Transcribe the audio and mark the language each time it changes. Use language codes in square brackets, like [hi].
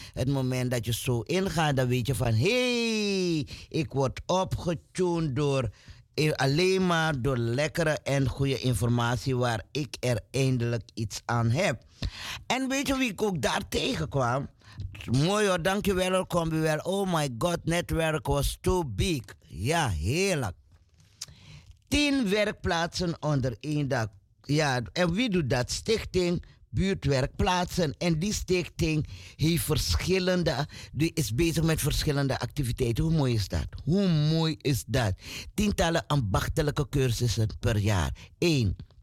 [nl] Het moment dat je zo ingaat, dan weet je van, ik word opgetuned door alleen maar door lekkere en goede informatie waar ik er eindelijk iets aan heb. En weet je wie ik ook daar tegenkwam? Mooi hoor, dankjewel, kom je wel. [en] Oh my god, netwerk was too big. [nl] Ja, heerlijk. 10 werkplaatsen onder één dak. Ja, en wie doet dat? Stichting Buurtwerkplaatsen. En die stichting heeft verschillende, die is bezig met verschillende activiteiten. Hoe mooi is dat? Hoe mooi is dat? Tientallen ambachtelijke cursussen per jaar. 1.